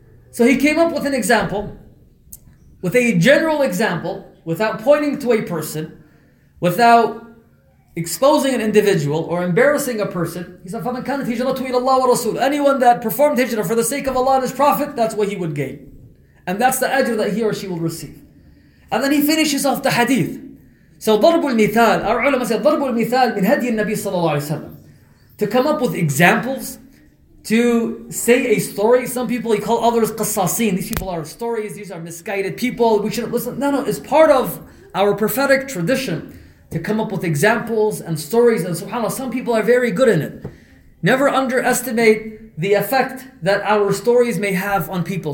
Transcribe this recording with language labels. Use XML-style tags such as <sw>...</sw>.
<en>So he came up with an example, with a general example, without pointing to a person, without exposing an individual or embarrassing a person.</en> <ar>He said, فَمَنْ كَانَتْ هِجْرَةُ إِلَى اللَّهِ وَرَسُولُ.</ar> <en>Anyone that performed hijra for the sake of Allah and His Prophet, that's what he would gain. And that's the ajr that he or she will receive. And then he finishes off the hadith. So</en> <ar>ضرب المثال,</ar> <en>our ulama said,</en> <ar>ضرب المثال من هدي النبي صلى الله عليه وسلم.</ar> <en>To come up with examples, to say a story. Some people, he call others qassasin. These people are stories, these are misguided people, we shouldn't listen. No, no, it's part of our prophetic tradition to come up with examples and stories. And subhanAllah, some people are very good in it. Never underestimate the effect that our stories may have on people.</en>